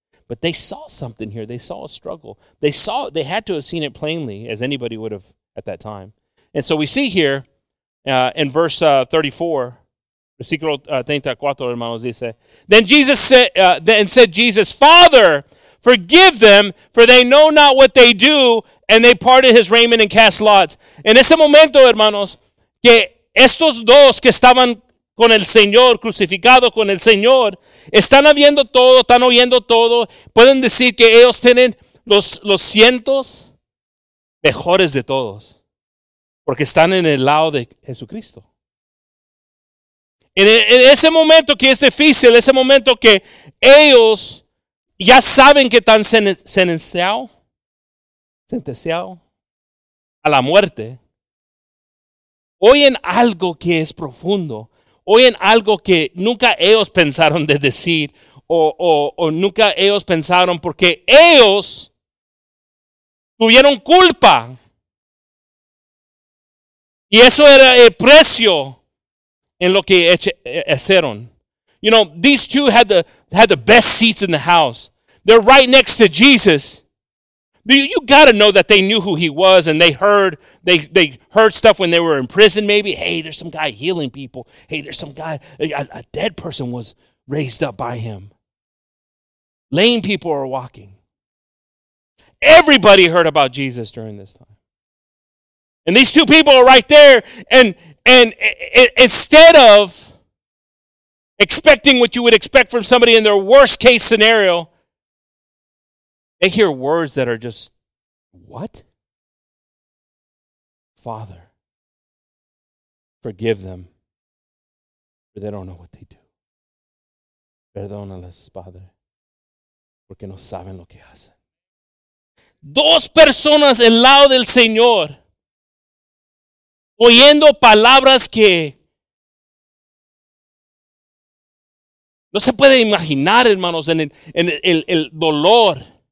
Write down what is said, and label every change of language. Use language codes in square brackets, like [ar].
[en] But they saw something here. They saw a struggle. They had to have seen it plainly, as anybody would have at that time. And so we see here in verse 34, [es] versículo 34, hermanos, [en] dice, then Jesus said, Father, forgive them, for they know not what they do. And they parted his raiment and cast lots. [es] En ese momento, hermanos, que estos dos que estaban con el Señor, crucificado con el Señor, están viendo todo, están oyendo todo. Pueden decir que ellos tienen los cientos mejores de todos. Porque están en el lado de Jesucristo. En ese momento que es difícil, ese momento que ellos ya saben que están sentenciados a la muerte, oyen algo que es profundo, oyen algo que nunca ellos pensaron de decir o nunca ellos pensaron, porque ellos tuvieron culpa y eso era el precio en lo que hicieron. [en] You know, these two had the best seats in the house. They're right next to Jesus. You got to know that they knew who he was, and they heard stuff when they were in prison maybe. Hey, there's some guy healing people. Hey, there's some guy, a dead person was raised up by him. Lame people are walking. Everybody heard about Jesus during this time. And these two people are right there, and instead of expecting what you would expect from somebody in their worst case scenario, they hear words that are just, what? Father, forgive them, for they don't know what they do. [es] Perdónales, Padre, porque no saben lo que hacen. Dos personas al lado del Señor, oyendo palabras que no se puede imaginar, hermanos, en el dolor.